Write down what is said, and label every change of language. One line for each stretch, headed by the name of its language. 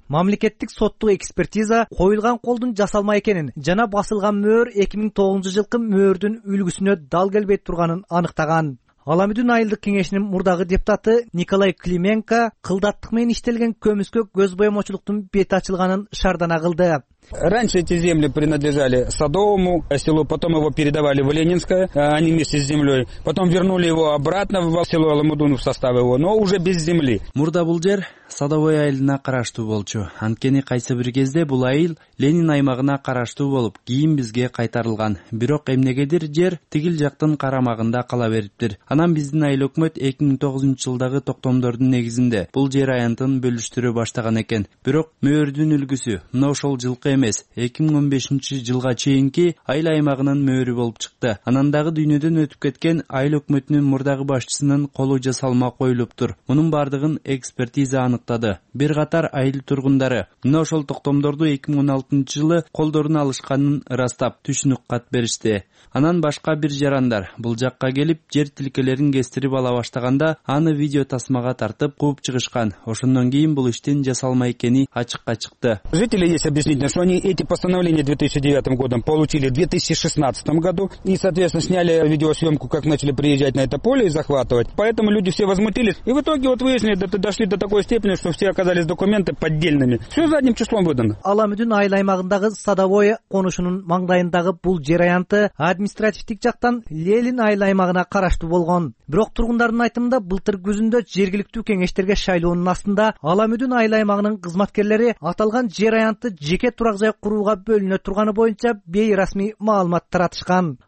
Kyrgyz: Мамлекеттик соттук экспертиза коюлган колдун жасалма экенин жана басылган мөөр 2009-жылкы мөөрдүн үлгүсүнө дал келбей турганын аныктаган. Аламүдүн айылдык кеңешинин мурдагы депутаты Николай Клименко кылдаттык менен иштелген көмүскө көз боемочулуктун бети ачылганын шардана кылды.
Russian: Раньше эти земли принадлежали Садовому селу, потом его передавали в Ленинское, они вместе с землей. Потом вернули его обратно в село Аламудун в состав его, но уже без земли.
Kyrgyz: Мурда бул жер Садовой айылына караштуу болчу. Анткени кайсы бир кезде бул айыл Ленин аймагына караштуу болуп, кийин бизге кайтарылган. Бирок эмнегедир жер тигил жактын карамагында кала бериптир. Анан биздин айыл өкмөт 2009-жылдагы токтомдордун негизинде бул жер аянтын бөлүштүрүү баштаган экен. Бирок мөөрдүн үлгүсү мына ошол жыл эмес 2015-жылга чейинки айыл аймагынын мөөрү болуп чыкты. Анан дагы дүйнөдөн өтүп кеткен айыл өкмөтүнүн мурдагы башчысынын колу жасалма коюлуптур. Мунун бардыгын экспертиза аныктады. Бир катар айыл тургундары мына ошол токтомдорду 2016-жылы колдоруна алышканын ырастап түшүнүк кат беришти. Анан башка бир жарандар бул жакка келип жер тилкелерин кестирип ала баштаганда аны видео тасмага тартып кууп чыгышкан. Ошондон кийин бул иштин жасалма экени ачыкка чыкты.
Russian: Жители есть объяснить, что они эти постановления 2009 годом получили в 2016 году и, соответственно, сняли видеосъемку, как начали приезжать на это поле и захватывать. Поэтому люди все возмутились. И в итоге вот выяснили, да, дошли до такой степени, что все оказались документы поддельными. Все задним числом выдано.
Kyrgyz: Аламидун айлаймагындагы садовое конушунун маңдайындагы бул жер аянты административдик жактан Лелин айлаймагына караштуу болгон. Бирок тургундардын айтымында былтыр күзүндө жергиликтүү кеңештерге шайлоонун астында Аламидун айлаймагынын кызматкерлери аталган жер аянты жеке турак жай курууга бөлүнө турганы боюнча бейрасмий маалымат таратышкан.